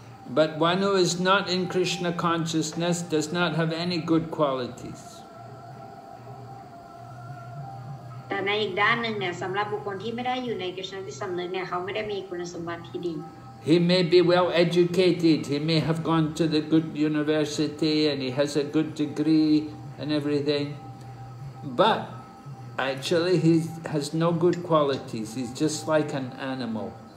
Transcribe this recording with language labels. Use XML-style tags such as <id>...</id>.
<en>But one who is not in Krishna consciousness does not have any good qualities.</en> <th>แต่ในอีกด้านหนึ่งเนี่ยสำหรับบุคคลที่ไม่ได้อยู่ในกิจนิสสัมฤทธิ์เนี่ยเขาไม่ได้มีคุณสมบัติที่ดี</th> <en>He may be well educated. He may have gone to the good university and he has a good degree and everything. But actually, he has no good qualities. He's just like an animal.</en>